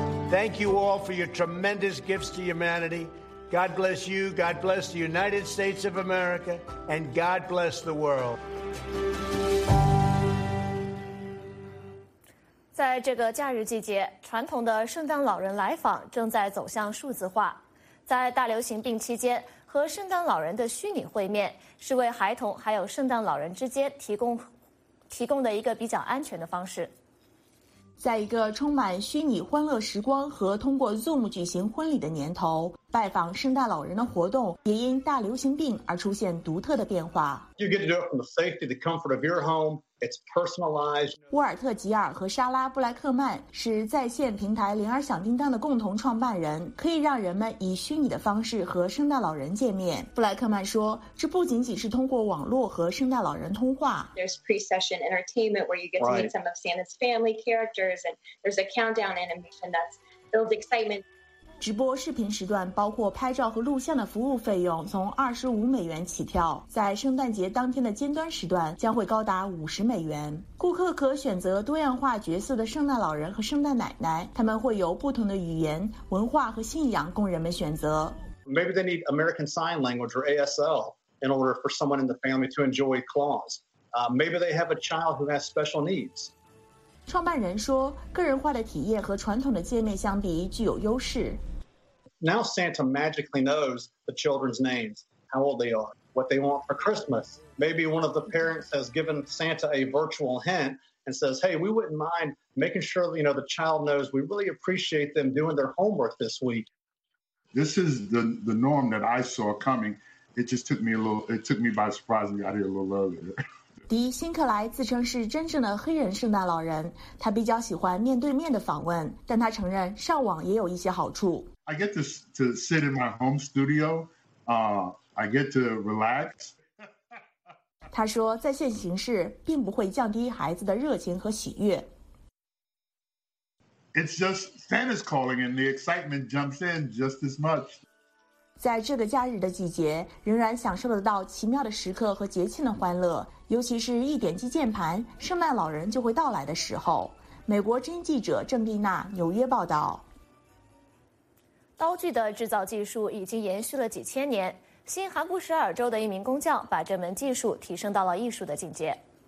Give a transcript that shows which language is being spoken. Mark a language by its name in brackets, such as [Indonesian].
[English] Thank you all for your tremendous gifts to humanity. God bless you, God bless the United States of America, and God bless the world. [Chinese] 在这个假日季节，传统的圣诞老人来访正在走向数字化。在大流行病期间，和圣诞老人的虚拟会面是为孩童还有圣诞老人之间提供的一个比较安全的方式。在一个充满虚拟欢乐时光和通过 Zoom 举行婚礼的年头，拜访圣诞老人的活动也因大流行病而出现独特的变化。 [English] You get to do it from the safety, the comfort of your home. It's personalized. [Chinese] 沃尔特·吉尔和莎拉·布莱克曼是在线平台铃儿响叮当的共同创办人，可以让人们以虚拟的方式和圣诞老人见面。布莱克曼说，这不仅仅是通过网络和圣诞老人通话。 [English] There's pre-session entertainment where you get to meet some of Santa's family characters, and there's a countdown animation that builds excitement. [Chinese] 直播视频时段包括拍照和录像的服务费用从$25起跳，在圣诞节当天的尖端时段将会高达$50。顾客可选择多样化角色的圣诞老人和圣诞奶奶，他们会由不同的语言、文化和信仰供人们选择。 [English] Maybe they need American Sign Language or ASL in order for someone in the family to enjoy Claus. Maybe they have a child who has special needs. [Chinese] 创办人说，个人化的体验和传统的界面相比具有优势。 [English] Now Santa magically knows the children's names, how old they are, what they want for Christmas. Maybe one of the parents has given Santa a virtual hint and says, hey, we wouldn't mind making sure you know, the child knows we really appreciate them doing their homework this week. This is the norm that I saw coming. It just took me a little, it took me by surprise and got here a little earlier. [Chinese] 迪·辛克莱自称是真正的黑人圣诞老人，他比较喜欢面对面的访问，但他承认上网也有一些好处。 [English] I get to sit in my home studio, I get to relax. [Chinese] 他说，在线形式并不会降低孩子的热情和喜悦。 [English] It's just Santa's calling and the excitement jumps in just as much. [Chinese] 在这个假日的季节，仍然享受得到奇妙的时刻和节庆的欢乐，尤其是一点击键盘，圣诞老人就会到来的时候。美国之音记者郑丽娜，纽约报道。刀具的制造技术已经延续了几千年，新罕布什尔州的一名工匠把这门技术提升到了艺术的境界。